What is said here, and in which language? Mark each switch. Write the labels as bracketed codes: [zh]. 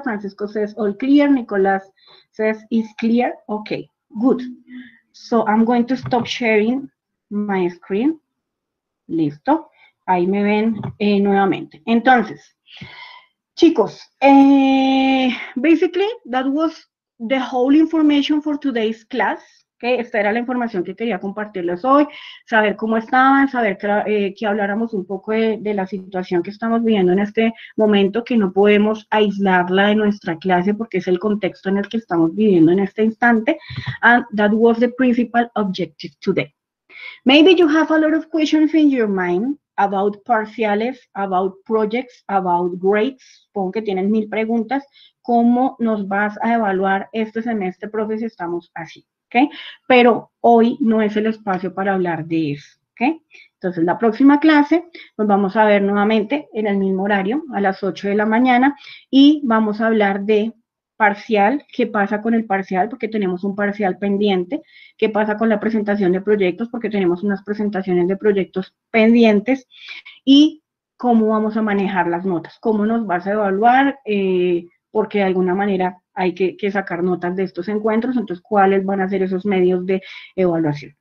[en] Francisco says all clear. Nicolás says it's clear. Okay, good. So I'm going to stop sharing my screen. [es] Listo. Ahí me ven nuevamente. Entonces, chicos, [en] basically that was the whole information for today's class. [es] Okay, esta era la información que quería compartirles hoy, saber cómo estaban, saber que habláramos un poco de la situación que estamos viviendo en este momento, que no podemos aislarla de nuestra clase porque es el contexto en el que estamos viviendo en este instante. [en] And that was the principal objective today. Maybe you have a lot of questions in your mind about parciales, about projects, about grades. [es] Supongo que tienen mil preguntas. ¿Cómo nos vas a evaluar este semestre, profe, si estamos así? ¿Okay? Pero hoy no es el espacio para hablar de eso, ¿okay? Entonces, la próxima clase nos vamos a ver nuevamente en el mismo horario, a las 8 de la mañana, y vamos a hablar de parcial, qué pasa con el parcial, porque tenemos un parcial pendiente, qué pasa con la presentación de proyectos, porque tenemos unas presentaciones de proyectos pendientes, y cómo vamos a manejar las notas, cómo nos vas a evaluar, porque de alguna manera hay que sacar notas de estos encuentros, entonces, ¿cuáles van a ser esos medios de evaluación?